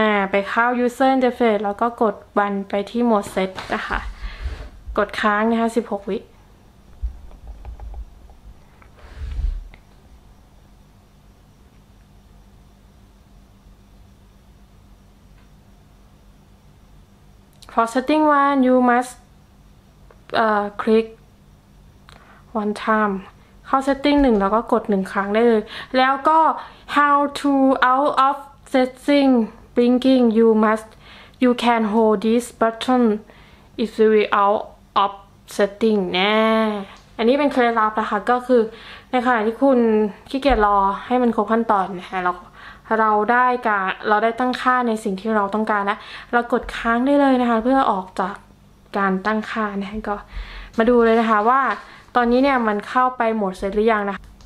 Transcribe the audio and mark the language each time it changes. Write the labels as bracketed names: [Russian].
[Thai] ไปเข้า user interface แล้วก็กดวันไปที่โหมด set นะคะกดค้างนะคะ16วิ [English] For setting one, you must click one time. [Thai] เข้า setting 1แล้วก็กด1ครั้งได้เลยแล้วก็ [English] how to out of setting blinking you can hold this button if you are out of setting. [Thai] แน่อันนี้เป็นเคล็ดลับนะคะก็คือในขณะที่คุณขี้เกียจรอให้มันครบขั้นตอนนะคะเราได้ตั้งค่าในสิ่งที่เราต้องการแล้วเรากดค้างได้เลยนะคะเพื่อออกจากการตั้งค่านะคะก็มาดูเลยนะคะว่าตอนนี้เนี่ยมันเข้าไปโหมดเสร็จหรือยังนะ